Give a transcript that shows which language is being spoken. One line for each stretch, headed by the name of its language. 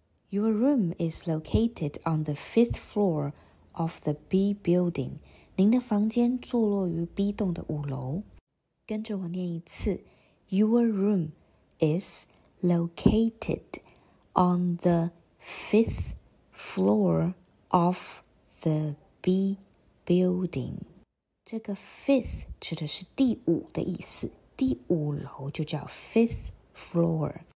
English: Your room is located on the fifth floor of the B building.
Chinese: 您的房间坐落于 B 栋的五楼。跟着我念一次
English: Your room is located on the fifth floor of the B building.
Chinese: 这个 fifth 指的是第五的意思，第五楼就叫
English: fifth floor.